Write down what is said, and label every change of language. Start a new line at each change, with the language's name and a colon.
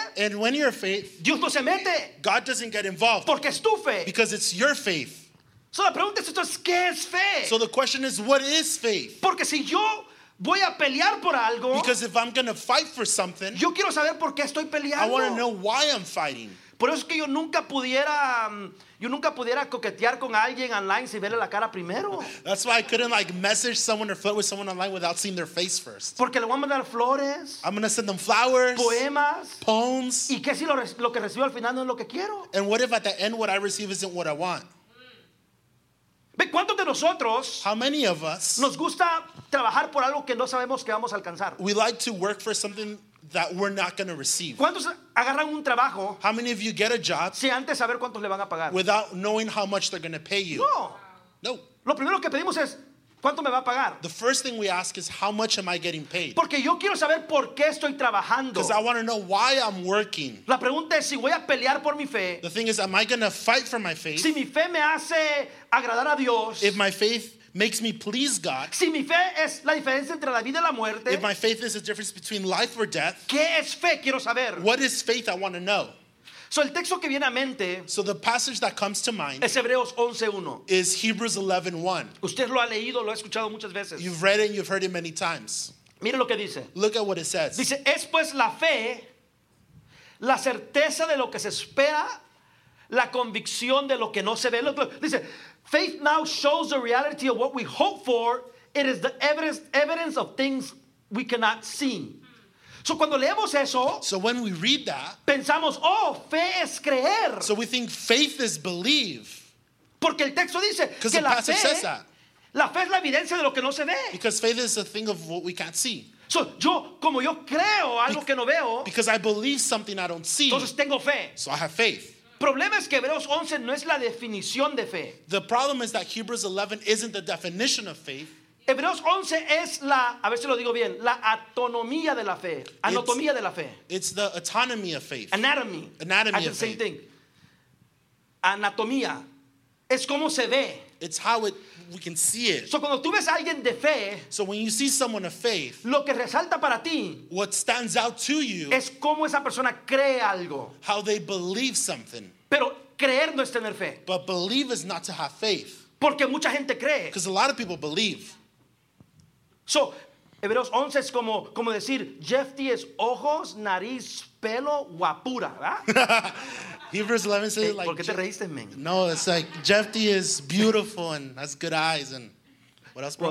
English: and when your faith,
Spanish: Dios no se mete.
English: God doesn't get involved.
Spanish: Porque es tu fe.
English: Because it's your faith.
Spanish: So la pregunta es, ¿qué es fe?
English: So the question is, what is faith?
Spanish: Porque si yo voy a pelear por algo.
English: Because if I'm going to fight for something,
Spanish: yo quiero saber por qué estoy peleando.
English: I want to know why I'm fighting.
Spanish: Por eso es que yo nunca pudiera coquetear con alguien online sin verle la cara primero.
English: That's why I couldn't like message someone or flirt with someone online without seeing their face first.
Spanish: Porque le voy a mandar flores.
English: I'm going to send them flowers.
Spanish: Poemas.
English: Poems.
Spanish: ¿Y qué si lo que recibo al final no es lo que quiero?
English: And what if at the end what I receive isn't what I want?
Spanish: ¿Ve cuántos de nosotros?
English: How many of us?
Spanish: Nos gusta trabajar por algo que no sabemos que vamos a alcanzar.
English: We like to work for something that we're not going to receive.
Spanish: ¿Cuántos agarran un trabajo?
English: How many of you get a job?
Spanish: Sin antes saber cuántos le van a pagar.
English: Without knowing how much they're going to pay you.
Spanish: No.
English: No.
Spanish: Lo primero que pedimos es ¿cuánto me va a pagar?
English: The first thing we ask is how much am I getting paid?
Spanish: Porque yo quiero saber por qué estoy trabajando.
English: Because I want to know why I'm working.
Spanish: La pregunta es si voy a pelear por mi fe.
English: The thing is, am I going to fight for my faith?
Spanish: Si mi fe me hace agradar a Dios.
English: If my faith makes me please God.
Spanish: Si mi fe es la diferencia entre la vida y la muerte.
English: If my faith is the difference between life or death.
Spanish: ¿Qué es fe? Quiero saber.
English: What is faith? I want to know.
Spanish: So el texto que viene a mente.
English: So the passage that comes to mind.
Spanish: Es Hebreos 11:1.
English: Is Hebrews 11:1.
Spanish: Usted lo ha leído, lo ha escuchado muchas veces.
English: You've read it and you've heard it many times.
Spanish: Mire lo que dice.
English: Look at what it says.
Spanish: Dice, es pues la fe, la certeza de lo que se espera, la convicción de lo que no se ve.
English: Dice, faith now shows the reality of what we hope for. It is the evidence of things we cannot see.
Spanish: So cuando leemos eso,
English: so when we read that,
Spanish: pensamos, oh, fe es creer.
English: So we think faith is believe.
Spanish: Porque el texto dice que la fe es la evidencia de lo que no se ve.
English: Because faith is a thing of what we can't see.
Spanish: So yo, como yo creo algo que no veo,
English: because I believe something I don't see,
Spanish: entonces tengo fe.
English: So I have faith.
Spanish: El problema es que Hebreos 11 no es la definición de fe.
English: The problem is that Hebrews 11 isn't the definition of faith.
Spanish: Hebreos 11 es la, a ver si lo digo bien, la autonomía de la fe. Anatomía de la fe.
English: It's the autonomy of faith. Anatomy. Anatomy of faith. Same thing.
Spanish: Anatomía. Es como se ve.
English: It's how it, we can see it.
Spanish: So cuando tú ves a alguien de fe,
English: so when you see someone of faith,
Spanish: lo que resalta para ti,
English: what stands out to you,
Spanish: es cómo esa persona cree algo.
English: How they believe something.
Spanish: Pero creer no es tener fe.
English: But believe is not to have faith.
Spanish: Porque mucha gente cree.
English: Because a lot of people believe.
Spanish: So, Hebreos 11 es como decir, Jefty es ojos, nariz, pelo, guapura, ¿verdad?
English: Hebrews 11 says, hey, like,
Spanish: te reíste, man?
English: No, it's like, Jefty is beautiful and has good eyes and what else, bro?